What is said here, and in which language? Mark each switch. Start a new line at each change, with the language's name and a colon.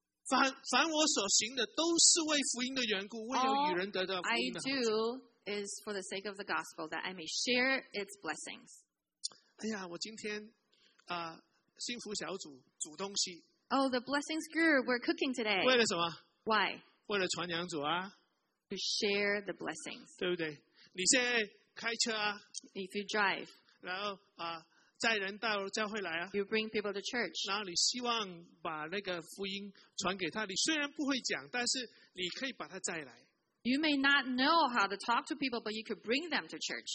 Chinese: 凡我所行的都是为福音的缘故，为了与人得到福音的好处。
English: All I do is for the sake of the gospel, that I may share its blessings.
Chinese: 哎呀，我今天啊，幸福小组煮东西。
English: Oh, the blessings group, we're cooking today.
Chinese: 为了什么
English: ？Why?
Chinese: 为了传扬主啊。
English: To share the blessings.
Chinese: 对不对？你现在开车啊
English: ？If you drive.
Chinese: 然后啊。带人到教会来啊
English: ！You bring people to church.
Chinese: 然后你希望把那个福音传给他。你虽然不会讲，但是你可以把他带来。
English: You may not know how to talk to people, but you could bring them to church.